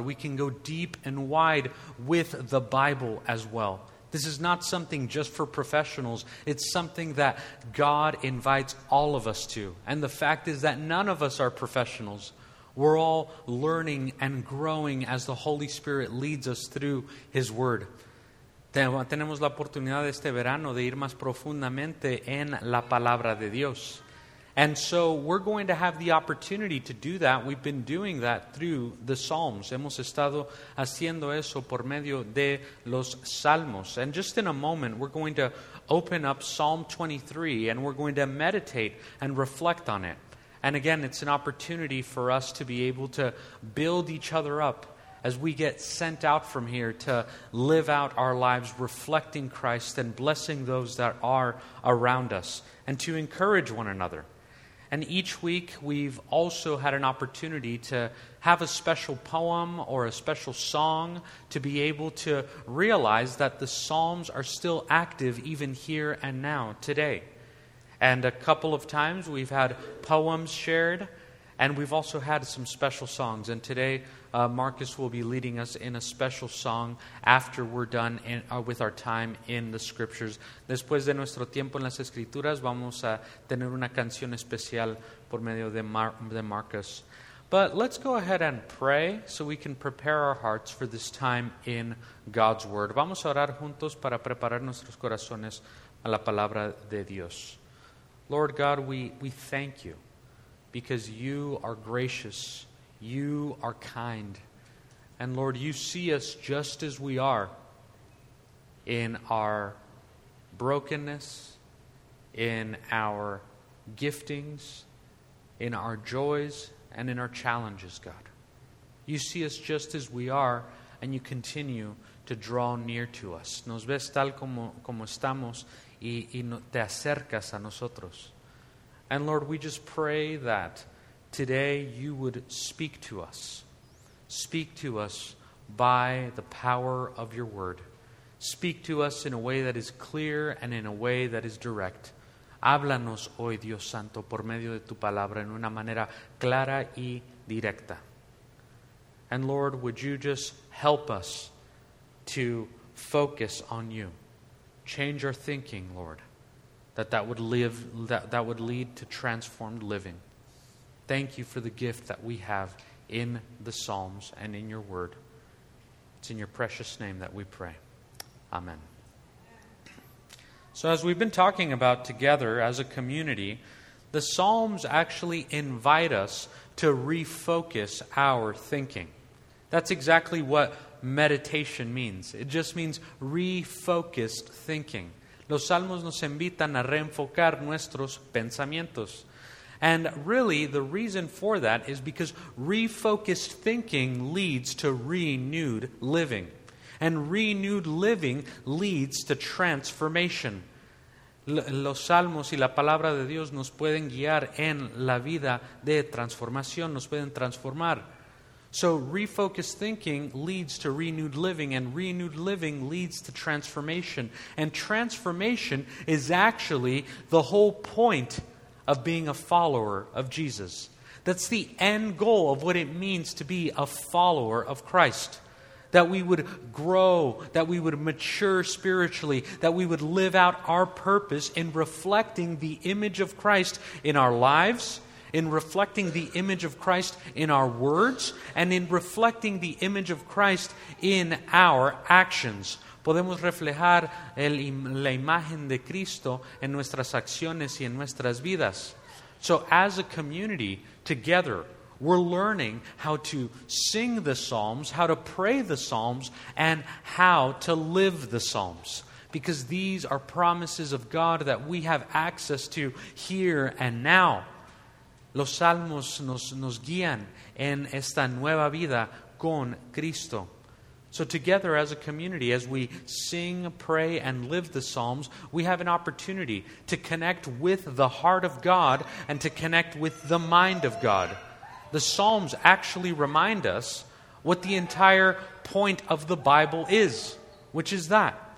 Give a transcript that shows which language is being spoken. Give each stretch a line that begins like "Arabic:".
English: We can go deep and wide with the Bible as well. This is not something just for professionals. It's something that God invites all of us to. And the fact is that none of us are professionals. We're all learning and growing as the Holy Spirit leads us through his word.
Spanish: Tenemos la oportunidad este verano de ir más profundamente en la palabra de Dios.
English: And so we're going to have the opportunity to do that. We've been doing that through the Psalms.
Spanish: Hemos estado haciendo eso por medio de los Salmos.
English: And just in a moment, we're going to open up Psalm 23, and we're going to meditate and reflect on it. And again, it's an opportunity for us to be able to build each other up as we get sent out from here to live out our lives reflecting Christ and blessing those that are around us and to encourage one another. And each week, we've also had an opportunity to have a special poem or a special song to be able to realize that the Psalms are still active even here and now, today. And a couple of times, we've had poems shared, and we've also had some special songs. And today, Marcus will be leading us in a special song after we're done with our time in the Scriptures.
Spanish: Después de nuestro tiempo en las Escrituras, vamos a tener una canción especial por medio de Marcus.
English: But let's go ahead and pray so we can prepare our hearts for this time in God's Word.
Spanish: Vamos a orar juntos para preparar nuestros corazones a la Palabra de Dios.
English: Lord God, we thank you because you are gracious. You are kind. And Lord, you see us just as we are in our brokenness, in our giftings, in our joys, and in our challenges, God. You see us just as we are, and you continue to draw near to us.
Spanish: Nos ves tal como estamos y te acercas a nosotros.
English: And Lord, we just pray that today you would speak to us. Speak to us by the power of your word. Speak to us in a way that is clear and in a way that is direct.
Spanish: Háblanos hoy, Dios Santo, por medio de tu palabra en una manera clara y directa.
English: And Lord, would you just help us to focus on you. Change our thinking, Lord, that would lead to transformed living. Thank you for the gift that we have in the Psalms and in your word. It's in your precious name that we pray. Amen. So as we've been talking about together as a community, the Psalms actually invite us to refocus our thinking. That's exactly what meditation means. It just means refocused thinking.
Spanish: Los Salmos nos invitan a reenfocar nuestros pensamientos.
English: And really, the reason for that is because refocused thinking leads to renewed living. And renewed living leads to transformation.
Spanish: Los Salmos y la Palabra de Dios nos pueden guiar en la vida de transformación, nos pueden transformar.
English: So refocused thinking leads to renewed living, and renewed living leads to transformation. And transformation is actually the whole point of being a follower of Jesus. That's the end goal of what it means to be a follower of Christ. That we would grow, that we would mature spiritually, that we would live out our purpose in reflecting the image of Christ in our lives, in reflecting the image of Christ in our words, and in reflecting the image of Christ in our actions.
Spanish: Podemos reflejar la imagen de Cristo en nuestras acciones y en nuestras vidas.
English: So as a community, together, we're learning how to sing the Psalms, how to pray the Psalms, and how to live the Psalms. Because these are promises of God that we have access to here and now.
Spanish: Los Salmos nos guían en esta nueva vida con Cristo.
English: So together as a community, as we sing, pray, and live the Psalms, we have an opportunity to connect with the heart of God and to connect with the mind of God. The Psalms actually remind us what the entire point of the Bible is, which is that.